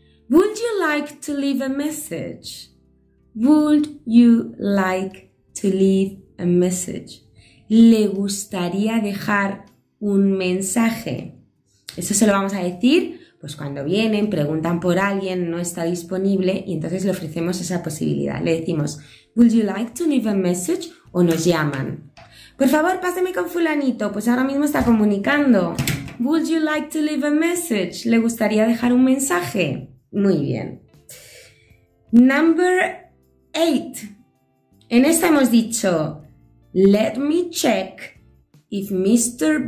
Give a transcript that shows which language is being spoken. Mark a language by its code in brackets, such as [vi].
[en] Would you like to leave a message? Would you like to leave a message? [es] ¿Le gustaría dejar un mensaje? Eso se lo vamos a decir. Pues cuando vienen, preguntan por alguien, no está disponible y entonces le ofrecemos esa posibilidad. Le decimos, [en] would you like to leave a message? [es] O nos llaman. Por favor, páseme con fulanito, pues ahora mismo está comunicando. [en] Would you like to leave a message? [es] ¿Le gustaría dejar un mensaje? Muy bien. [en] Number 8. [es] En esta hemos dicho, [en] let me check if Mr.